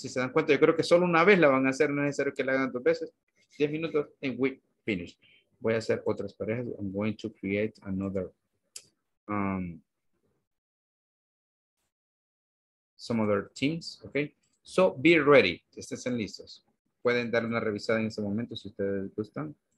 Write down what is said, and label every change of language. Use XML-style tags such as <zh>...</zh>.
<es>Si se dan cuenta, yo creo que solo una vez la van a hacer, no es necesario que la hagan dos veces. 10 minutos</es> <en>and we finish.</en> <es>Voy a hacer otras parejas.</es> <en>I'm going to create another, some other teams, okay? So be ready,</en> <es>estén listos. Pueden dar una revisada en ese momento si ustedes gustan.</es>